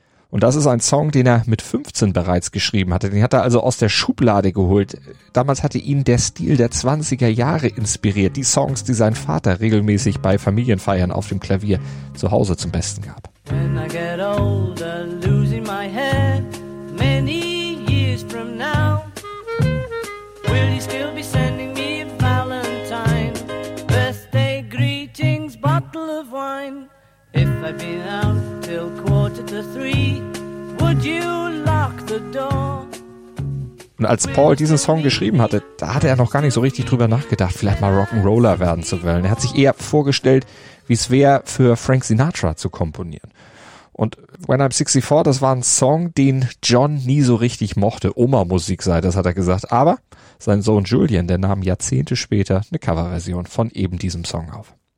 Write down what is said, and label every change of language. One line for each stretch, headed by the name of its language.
German: Und das ist ein Song, den er mit 15 bereits geschrieben hatte. Den hat er also aus der Schublade geholt. Damals hatte ihn der Stil der 20er Jahre inspiriert. Die Songs, die sein Vater regelmäßig bei Familienfeiern auf dem Klavier zu Hause zum Besten gab.
English: When I get older, losing my head, many years from now, will you still be sending me a valentine, birthday greetings, bottle of wine? If I'd been out till 2:45, would you lock the door?
German: Und als Paul diesen Song geschrieben hatte, da hatte er noch gar nicht so richtig drüber nachgedacht, vielleicht mal Rock'n'Roller werden zu wollen. Er hat sich eher vorgestellt, wie es wäre, für Frank Sinatra zu komponieren. Und When I'm 64, das war ein Song, den John nie so richtig mochte. Oma-Musik sei, das hat er gesagt. Aber sein Sohn Julian, der nahm Jahrzehnte später eine Coverversion von eben diesem Song auf.